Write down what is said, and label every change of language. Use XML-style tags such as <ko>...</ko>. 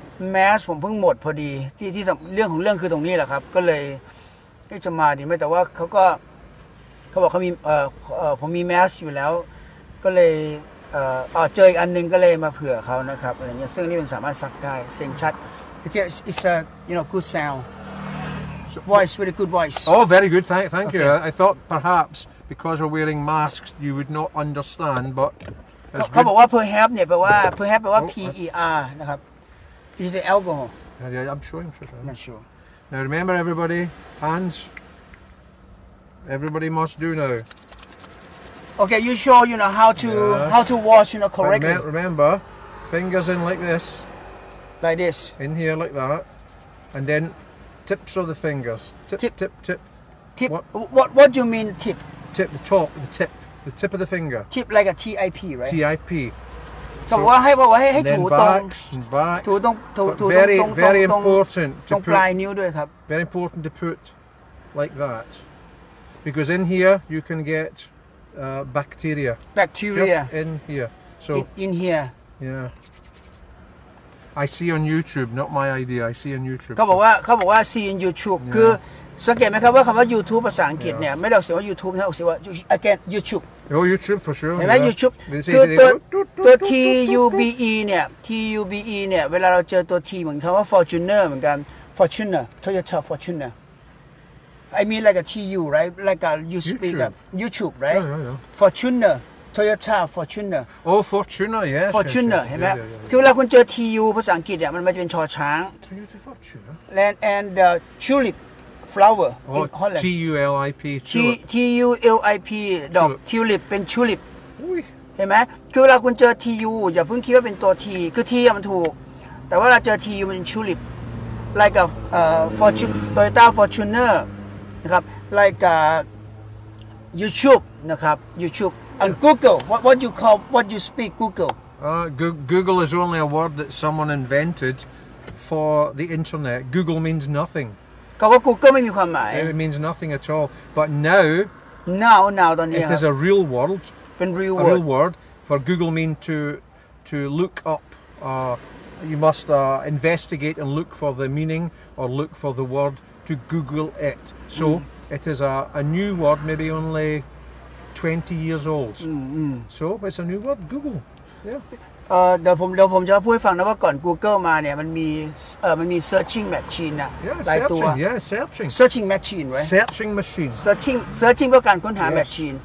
<th>แมสผมเพิ่งหมดพอดีที่เรื่องคือตรงนี้แหละครับก็เลยจะมาดีไหมแต่ว่าเขาบอกเขามีผมมีแมสอยู่แล้วก็เลยเจออีกอันนึงก็เลยมาเผื่อเขานะครับอะไรเงี้ยซึ่งนี่มันสามารถซักได้เสียงชัด</th> <en>okay it's a you know good sound voice really good voice oh very good thank you okay. I thought perhaps because we're wearing masks you would not understand but</en> <th>เขาบอกว่า perhaps เนี่ยแปลว่า per นะครับ</th> <en>it is alcohol yeah I'm sure not sure now remember everybody handsEverybody must do now. Okay, you show you know how to wash you know correctly. Remember, fingers in like this. Like this. In here like that, and then tips of the fingers. Tip. Tip. What do you mean tip? Tip the top, the tip of the finger. Tip like a TIP, right? TIP.</en> <th>So ให้ถูตรง ถูตรง</th> <en>Very important to</en> <th>ปลายนิ้วด้วยครับ</th> <en>Very important to put like that. Because in here you can get bacteria. Bacteria in here. So in here. Yeah. I see on YouTube, not my idea. I see on YouTube.</en> <th>เขาบอกว่า</th> <en>see in YouTube.</en> <th>คือสังเกตไหมครับว่าคำว่า YouTube ภาษาอังกฤษเนี่ยไม่ได้ออกเสียงว่า YouTube นะออกเสียงว่า again YouTube.</th> <en>Oh YouTube for sure.</en> <th>เห็นไหม YouTube. ตัว T U B E เนี่ย T U B E เนี่ยเวลาเราเจอตัว T เหมือนคำว่า Fortuner เหมือนกัน Fortuner Toyota Fortuner.</th> <en>I mean like a TU, right? Like a you speak up YouTube, right? Yeah. Fortuner, Toyota, Fortuner. Oh, Fortuner, yes.</en> <th>Fortuner, เห็นไหม คือเวลาคุณเจอ TU ภาษาอังกฤษเนี่ยมันจะเป็นชอช้าง</th> <en>Toyota Fortuner. And tulip flower in Holland. TULIP.</en> <th>TULIP ดอก tulip เป็น tulip. เห็นไหม คือเวลาคุณเจอ TU อย่าเพิ่งคิดว่าเป็นตัว T คือ T มันถูกแต่ว่าเราเจอ TU มันเป็น tulip like a Fortuner, Toyota Fortunerนะครับ like YouTube นะครับ</th> <en>YouTube and Google what you call what you speak Google Google is only a word that someone invented for the internet Google means nothing</en> <th>ก็ว่า Google ไม่มีความหมาย</th> <en>it means nothing at all but now</en> <th>ตอนนี้</th> <en>it is a real word</en> <th>เป็น real</th> <en>word a real word for Google mean to look up you must investigate and look for the meaning or look for the wordTo Google it, so it is a new word, maybe only 20 years old. Mm-hmm. So it's a new word, Google.</en> <th>เดี๋ยวผมจะพูดให้ฟังนะว่าก่อน Google มาเนี่ยมันมี searching machine นะหลายตัว</th> <en>searching machine right searching machine</en> <th>searching เพื่อการค้นหา machine</th>